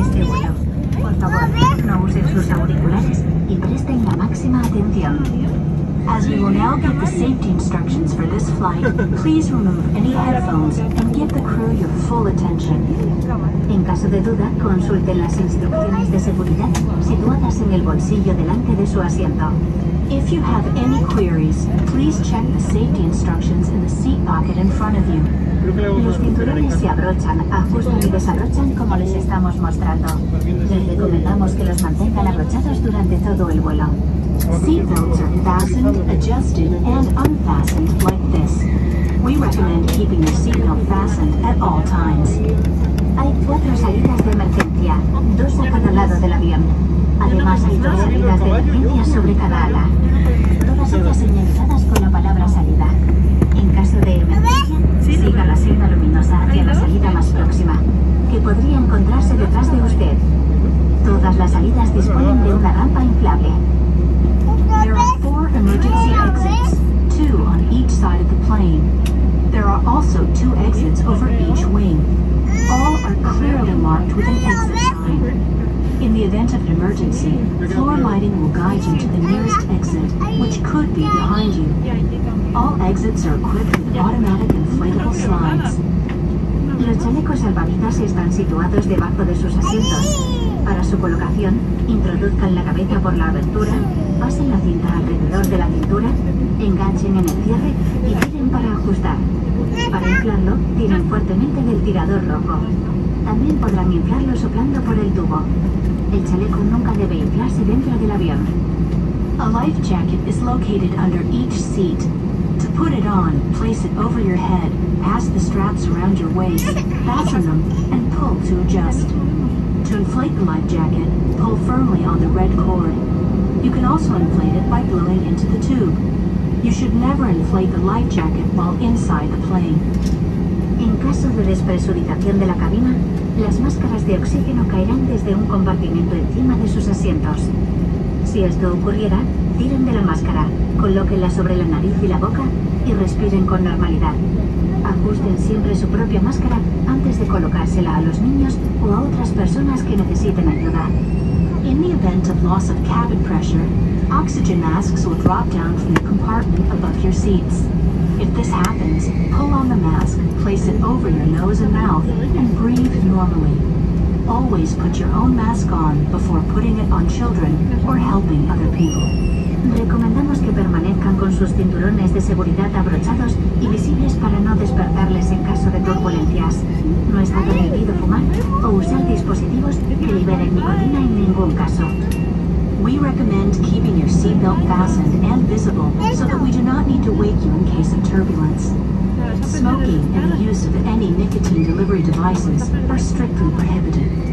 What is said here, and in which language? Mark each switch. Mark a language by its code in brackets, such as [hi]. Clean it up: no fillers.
[es] Por favor, no usen sus auriculares y presten la máxima atención. [en] As we will now give the safety instructions for this flight, please remove any headphones and give the crew your full attention. [es] En caso de duda, consulten las instrucciones de seguridad situadas en el bolsillo delante de su asiento. [en] If you have any queries, please check the safety instructions in the seat pocket in front of you. [es] Los cinturones se abrochan, ajustan y desabrochan como les estamos mostrando. Les recomendamos que los mantengan abrochados durante todo el vuelo. [en] Seatbelts are fastened, adjusted, and unfastened like this. We recommend keeping your seatbelt fastened at all times. [es] Hay cuatro salidas de emergencia, dos a cada lado del avión. Además, hay dos salidas de emergencia sobre cada ala. Todas ellas señalizadas con la palabra salida. En caso de emergencia, siga la señal luminosa hacia la salida más próxima, que podría encontrarse detrás de usted. Todas las salidas disponen de una rampa inflable. [en] There are four emergency exits, two on each side of the plane. There are also two exits over each wing. All are clearly marked with an exit sign. In the event of an emergency, floor lighting will guide you to the nearest exit, which could be behind you. All exits are equipped with automatic inflatable slides. [es] Los chalecos salvavidas están situados debajo de sus asientos. Para su colocación, introduzcan la cabeza por la abertura, pasen la cinta alrededor de la cintura, enganchen en el cierre y tiren para ajustar. Para inflarlo, tiren fuertemente del tirador rojo. También podrán inflarlo soplando por el tubo. El chaleco nunca debe inflarse dentro del avión. [en] A life jacket is located under each seat. To put it on, place it over your head, pass the straps around your waist, fasten them, and pull to adjust. To inflate the life jacket, pull firmly on the red cord. You can also inflate it by blowing into the tube. You should never inflate the life jacket while inside the plane. [es] En caso de despresurización de la cabina, las máscaras de oxígeno caerán desde un compartimento encima de sus asientos. Si esto ocurriera, tiren de la máscara, colóquenla sobre la nariz y la boca y respiren con normalidad. Ajusten siempre su propia máscara antes de colocársela a los niños o a otras personas que necesiten ayuda. [en] In the event of loss of cabin pressure, oxygen masks will drop down from the compartment above your seats. If this happens, pull on the mask, place it over your nose and mouth, and breathe normally. Always put your own mask on before putting it on children or helping other people. [es] Recomendamos que permanezcan con sus cinturones de seguridad abrochados y visibles para no despertarles en caso de turbulencias. No está permitido fumar o usar dispositivos que liberen nicotina en ningún caso. [en] We recommend keeping your seatbelt fastened and visible so that we do not need to wake you in case of turbulence. Smoking and the use of any nicotine delivery devices are strictly prohibited.